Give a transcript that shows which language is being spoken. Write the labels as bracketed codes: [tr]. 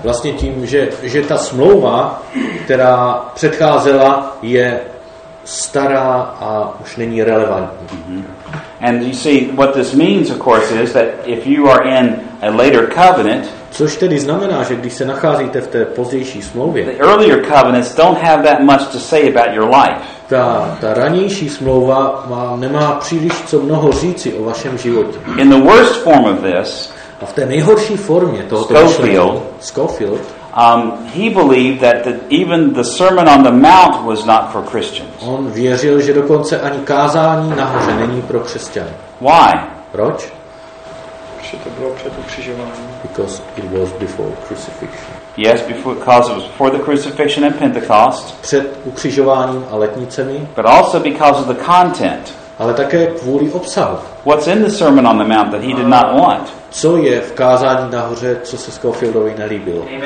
[cs] Vlastně tím, že ta smlouva, která předcházela, je stará a už není relevantní. Mm-hmm. [en] And you see what this means, of course, is that if you are in a later covenant, [cs] což tedy znamená, že když se nacházíte v té pozdější smlouvě, [en] the earlier covenants don't have that much to say about your life. [cs] Ta ranější smlouva nemá příliš co mnoho říci o vašem životě. [en] In the worst form of this. [cs] A v té nejhorší formě tohoto [en] Schofield, he believed that even the Sermon on the Mount was not for Christians. [cs] On věřil, že dokonce ani kázání nahoře není pro křesťany. [en] Why? [cs] Proč? Protože to bylo před ukřižováním. [en] Because it was before crucifixion. Yes, because it was before the crucifixion and Pentecost. [cs] Před ukřižováním a letnicemi. [en] But also because of the content. [cs] Ale také kvůli obsahu. [en] What's in the Sermon on the Mount that he did not want? [cs] Co je v kázání nahoře, co se Schofieldovi nelíbilo?